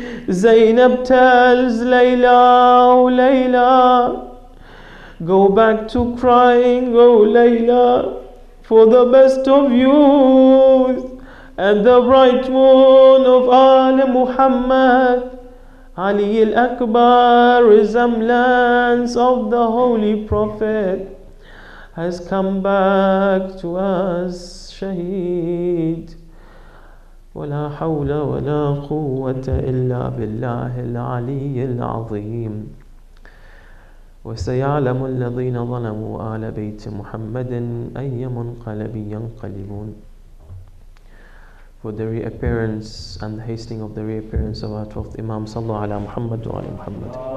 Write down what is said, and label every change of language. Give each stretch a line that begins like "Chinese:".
English: Zainab tells Layla, O Layla, go back to crying, O Layla, for the best of youth and the bright moon of Al Muhammad. Ali al-Akbar, resemblance of the Holy Prophet, has come back to us, Shaheed.
Arabic: ولا حول ولا قوة إلا بالله العلي العظيم. وسيعلم الذين ظلموا آل بيت محمد أي منقلب ينقلبون.
English: For the reappearance and the hastening of the reappearance of our 12th Imam,
Arabic: sallallahu ala Muhammad wa ala Muhammad.